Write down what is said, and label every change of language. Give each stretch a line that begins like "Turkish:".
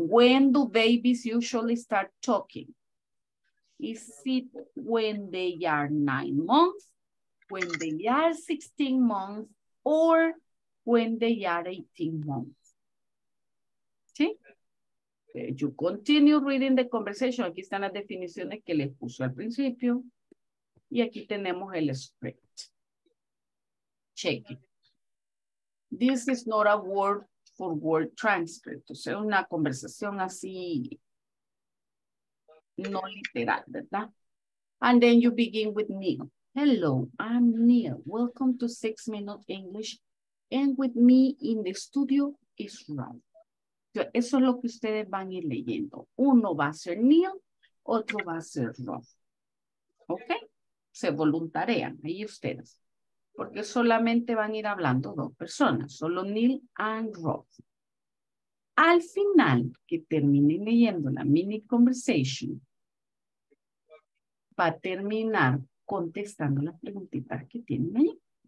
English: When do babies usually start talking? Is it when they are 9 months? when they are 16 months or when they are 18 months. ¿Sí? You continue reading the conversation.
Spanish: Aquí están las definiciones que les puso al principio. Y aquí tenemos el script.
English: Check it. This is not a word for word transcript.
Spanish: O sea, una conversación así no literal, ¿verdad?
English: And then you begin with Neil. Hello, I'm Neil. Welcome to 6 Minute English. And with me in the studio is Ron.
Spanish: Eso es lo que ustedes van a ir leyendo. Uno va a ser Neil, otro va a ser Ron. ¿Ok? Se voluntarean ahí ustedes. Porque solamente van a ir hablando dos personas, solo Neil and Rob. Al final, que terminen leyendo la mini conversation, va a terminar contestando las preguntitas que tienen ahí.